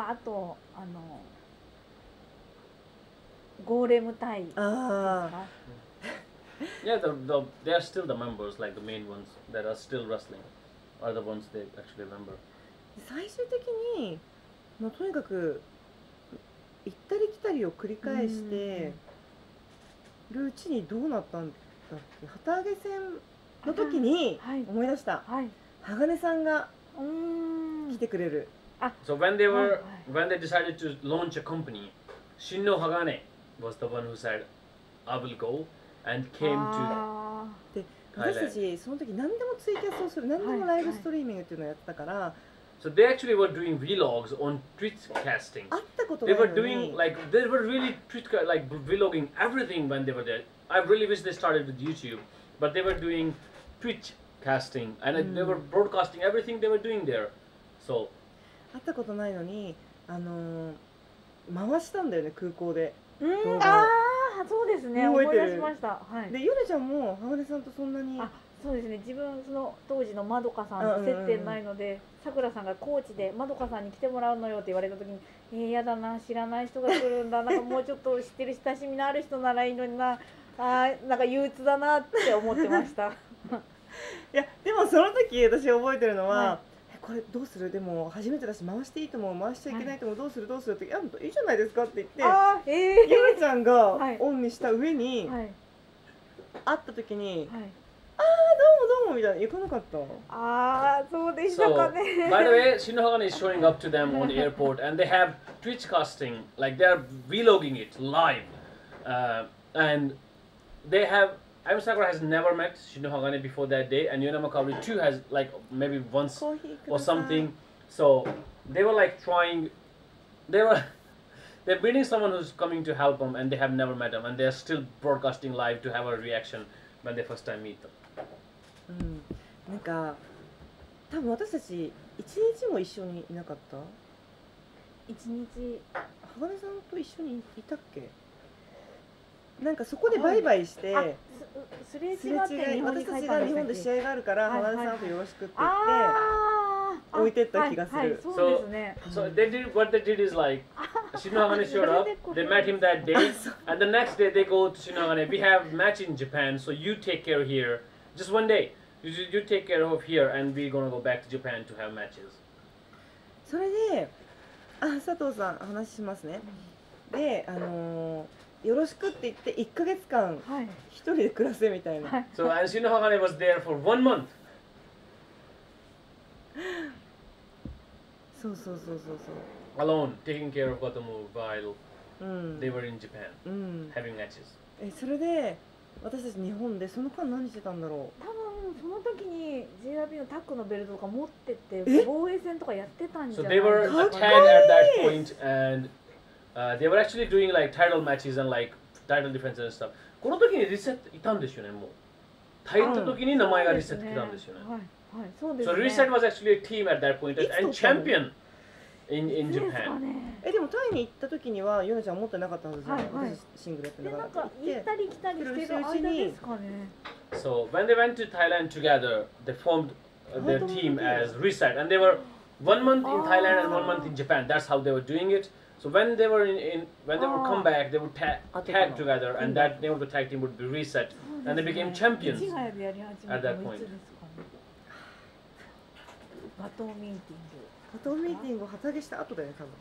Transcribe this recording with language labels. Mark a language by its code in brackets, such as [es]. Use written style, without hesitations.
[ja] あとあのゴーレムタイですか。 [en] Yeah, they are still the members, like the main ones that are still wrestling are the ones they actually remember. [ja] 最終的に、まあ、とにかく行ったり来たりを繰り返してるうちにどうなったんだっけ、旗揚げ戦の時に思い出した、はいはい、鋼さんが来てくれる。あ、 [en] so when they were、 [ja] はい、 [en] when they decided to launch a company, Shinno Hagane was the one who said, "I will go and came to." [ja] で、私たちその時何でもツイキャスをする、何でもライブストリーミングっていうのをやったから、はいはい、 [en] so they actually were doing vlogs on Twitch casting. [ja] あったことない。 [en] They were doing like they were really Twitch like vlogging everything when they were there. I really wish they started with YouTube. But they were doing Twitch casting and、うん、they were broadcasting everything they were doing there. So, [ja] 会ったことないのに、回したんだよね、空港で。ああ、そうですね、覚えて思い出しました。はい、で、ヨネちゃんも、浜根さんとそんなに。あ、そうですね、自分、その当時のまどかさんと接点ないので、さくらさんがコーチでまどかさんに来てもらうのよって言われたときに、嫌だな、知らない人が来るんだ、なんかもうちょっと知ってる、親しみのある人ならいいのにな。あー、なんか憂鬱だなって思ってました。いや、でもその時私覚えてるのは、はい、これどうする、でも初めてだし回していいと思う、回しちゃいけないと思う、はい、どうするどうするって、いや、いいじゃないですかって言って、あ、ゆめちゃんがオンにした上に、はい、会った時に、はい、あー、どうもどうもみたいな、行かなかった。あー、そうでしたかね。 [en] So, by the way, Shinno Hagane is showing up to them on the airport and they have Twitch casting, like they are vlogging it live、andThey have, Ayumu Sakura has never met Shinno Hagane before that day, and Yonama Kaori too has like maybe once or something. So they were like trying, they're meeting someone who's coming to help them, and they have never met them, and they're still broadcasting live to have a reaction when they first time meet them. [ja] なんか、多分私たち一日も一緒にいなかった？一日、 Hagane さんと一緒にいたっけ？なんかそこでバイバイして、はい、すれ違い、私たちが日本で試合があるから、はいはい、浜田さんとよろしくって言って置いてった気がする。はいはい、そうですね。 [en] So, so they did, what they did is like, Shinno Hagane showed up, they met him that day, and the next day they go to Shinno Hagane. We have match in Japan, so you take care here, just one day. You take care of here, and we're gonna go back to Japan to have matches. [ja] それで、あ、佐藤さん話しますね。で、よろしくって言って1ヶ月間一人で暮らせみたいな。 [en] So Shinno Hagane was there for one month. [ja] そうそうそうそうそう。 [en] Alone, taking care of Gotomo while they were in Japan, having matches. [ja] それで私たち日本でその間何してたんだろう。多分その時に JRB のタッグのベルトとか持ってて防衛戦とかやってたんじゃないか。 [en] So they were tagged at that point and. They were actually doing like title matches and like title defenses and stuff. [ja] この時にリセットいたんですよね、もう。タイった時に名前がリセットいたんですよね。はい、はい、そうですね。 [en] So reset was actually a team at that point and champion in Japan. [ja] え、でもタイに行った時にはヨナちゃん持ってなかったはずじゃない？はい、はい。シングルやってなかった。で、なんか行ったり来たりしてる間ですかね。 [en] So when they went to Thailand together, they formed their team as reset. And they were one month in Thailand and one month in Japan. That's how they were doing it. So when they were in, when they would come back, they would tag together, and that name of the tag team would be reset, and they became champions at that point. [ja] ガトーミーティングガトーミーティングを旗揚げした後だよね多分